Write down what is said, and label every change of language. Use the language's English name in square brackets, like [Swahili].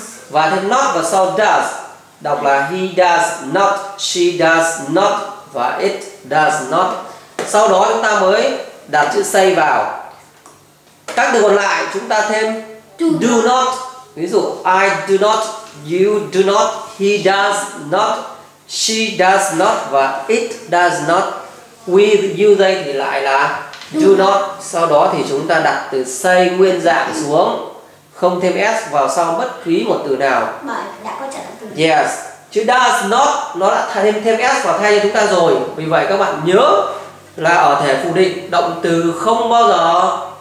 [Vietnamese] Và thêm not vào sau does, đọc là [English] he does not, she does not và it does not. [Vietnamese] Sau đó chúng ta mới đặt chữ say vào. Các từ còn lại chúng ta thêm do not. [English] Ví dụ I do not, you do not, he does not, she does not và it does not. With you they [Vietnamese] thì lại là do not. Sau đó thì chúng ta đặt từ say nguyên dạng xuống, không thêm s vào sau bất cứ một từ nào. Yes, chữ does not nó đã thêm s vào thay cho chúng ta rồi. Vì vậy các bạn nhớ là ở thể phủ định động từ không bao giờ